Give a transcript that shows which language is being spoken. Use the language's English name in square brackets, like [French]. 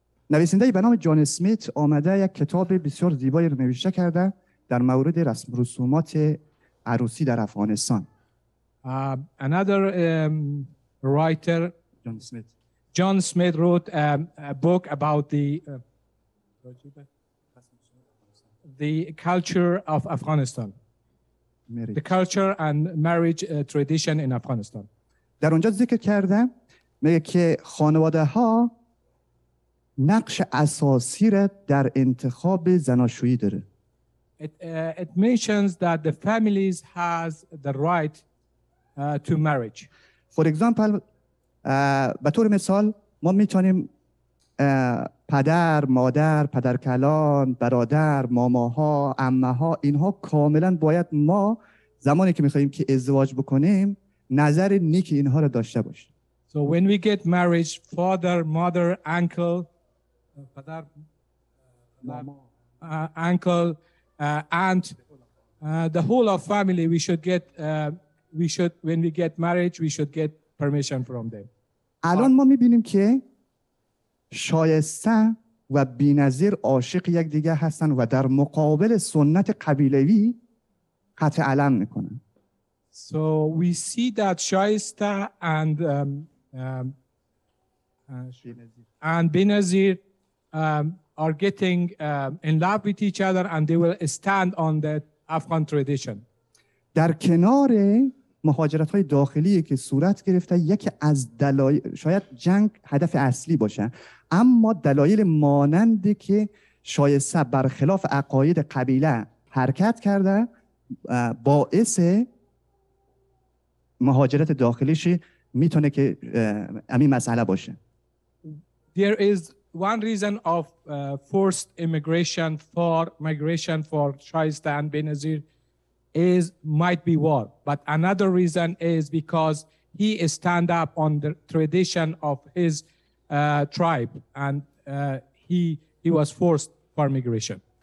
[Persian] نویسنده به نام جان اسمیت آمده یک کتاب بسیار زیبایی رو نوشته کرده در مورد رسم رسومات عروسی در افغانستان. [English] Another writer, John Smith. John Smith wrote a book about the culture of Afghanistan. Marriage. The culture and marriage tradition in Afghanistan. [Persian] در اونجا ذکر کرده میگه که خانواده ها نقش اساسی را در انتخاب زناشویی داره. [English] It mentions that the families has the right to marriage. For example, [Persian] به طور مثال ما میتونیم پدر، مادر، پدرکلان، برادر، ماماها، عمه‌ها اینها کاملا باید ما زمانی که میخواییم که ازدواج بکنیم نظر نیک اینها را داشته باشیم. [English] So when we get married, father, mother, uncle, father, uncle, aunt, the whole of family, we should get, we should, when we get married, we should get permission from them. [Persian] الان ما میبینیم که شایسته و بی‌نظیر عاشق یک دیگه هستن و در مقابل سنت قبیلوی قطع علم میکنن. [English] So we see that Shaista and Benazir are getting in love with each other and they will stand on that Afghan tradition. [Persian] در کنار مهاجرت‌های داخلی که صورت گرفته یکی از دلایل شاید جنگ هدف اصلی باشه اما دلایل مانندی که شایسته برخلاف عقاید قبیله حرکت کرده باعث مهاجرت داخلیش میتونه که امی مسئله باشه. [English] There is one reason of forced immigration for migration for Shaista and Benazir is might be war, but another reason is because he stand up on the tradition of his tribe and he was forced for migration.